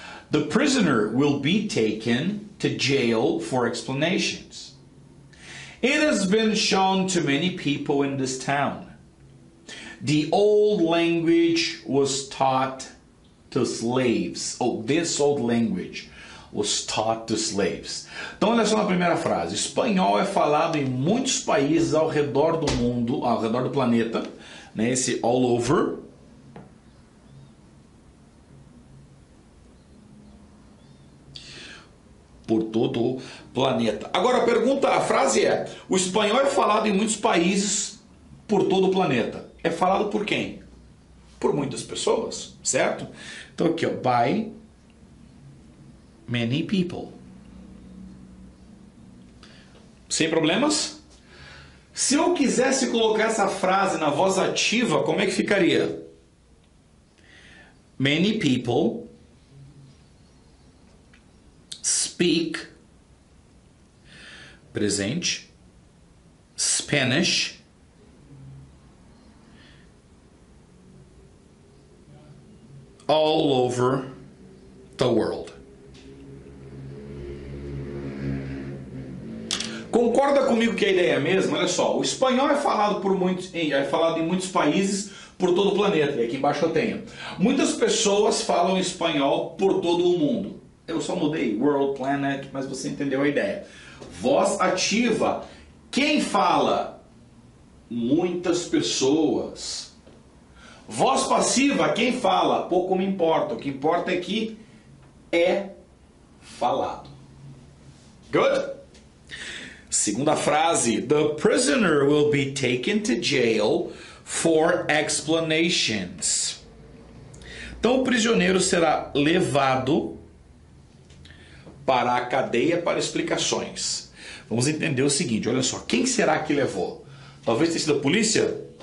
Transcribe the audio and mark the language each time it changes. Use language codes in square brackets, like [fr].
[en] The prisoner will be taken to jail for explanations. It has been shown to many people in this town. The old language was taught to slaves. Oh, this old language was taught to slaves. [pt] Então, olha só na primeira frase. Espanhol é falado em muitos países ao redor do mundo, ao redor do planeta. Né? Esse all over. Por todo o planeta. Agora, a pergunta, a frase é... O espanhol é falado em muitos países por todo o planeta. É falado por quem? Por muitas pessoas, certo? Então, aqui, ó, [en] by many people. [pt] Sem problemas? Se eu quisesse colocar essa frase na voz ativa, como é que ficaria? [en] Many people speak presente Spanish all over the world. [pt] Concorda comigo que a ideia é a mesma? Olha só, o espanhol é falado por muitos, é falado em muitos países por todo o planeta. E aqui embaixo eu tenho. Muitas pessoas falam espanhol por todo o mundo. Eu só mudei world, planet, mas você entendeu a ideia. Voz ativa. Quem fala? Muitas pessoas. Voz passiva. Quem fala? Pouco me importa. O que importa é que é falado. Good? Segunda frase. [en] The prisoner will be taken to jail for explanations. [pt] Então o prisioneiro será levado para a cadeia para explicações. Vamos entender o seguinte, olha só, quem será que levou? Talvez tenha sido a polícia?